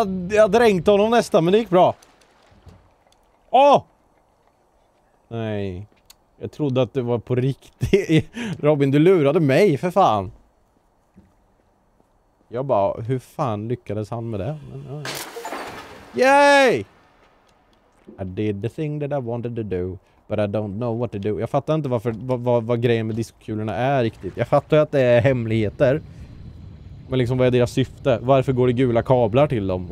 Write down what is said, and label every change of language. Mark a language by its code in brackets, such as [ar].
[sv] Jag dränkte honom nästan, men det gick bra. Nej. Jag trodde att det var på riktigt. Robin, du lurade mig, för fan. Jag bara, hur fan lyckades han med det? Men, Yay! [en] I did the thing that I wanted to do, but I don't know what to do. [sv] Jag fattar inte vad grejen med diskokulorna är riktigt. Jag fattar att det är hemligheter. Men liksom, vad är deras syfte? Varför går det gula kablar till dem?